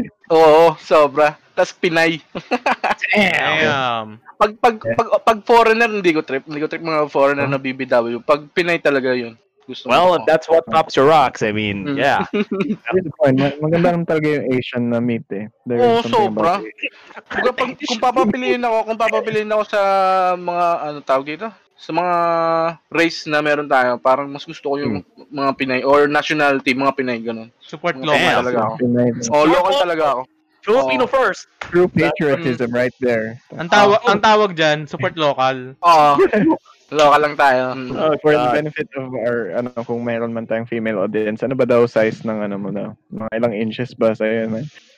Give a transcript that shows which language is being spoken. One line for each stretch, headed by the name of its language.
Filipino: Oo, sobra. Tas Pinay.
English: Damn.
Filipino: Pag foreigner, hindi ko trip mga foreigner na BBW. Pag Pinay talaga yun.
English: Well, that's what tops your rocks. I mean, yeah.
Filipino: Maganda naman talaga yung Asian na meat eh. Oo, sobra. Kung papapiliin ako sa mga, tawag dito? Sa mga race na meron tayo, parang mas gusto ko yung mga Pinay or nationality, mga Pinay, ganun.
English: Support local
Filipino: talaga ako. Local talaga ako.
English: Filipino first. True patriotism right there.
Filipino: Ang tawag dyan,
English: support local.
Filipino: Oo. Local lang tayo.
English: For the benefit of our,
Filipino: kung mayroon man tayong
English: female audience,
Filipino: ano ba daw size ng ano mo na? Mga ilang inches ba sa yun, man?